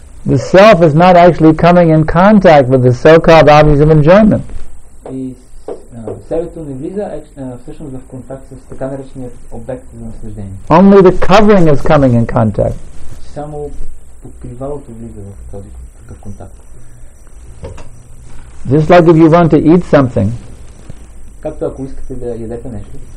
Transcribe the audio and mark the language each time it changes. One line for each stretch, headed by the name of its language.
English: The self is not actually coming in contact with the so-called objects of enjoyment.
Bulgarian: И себето не влиза всъщност в контакт с така наречения обект за наслаждение.
English: Only the covering is coming in contact.
Bulgarian: Само покривалото влиза в този контакт.
English: Just like if you want to eat something.
Bulgarian: Както ако искате да ядете нещо.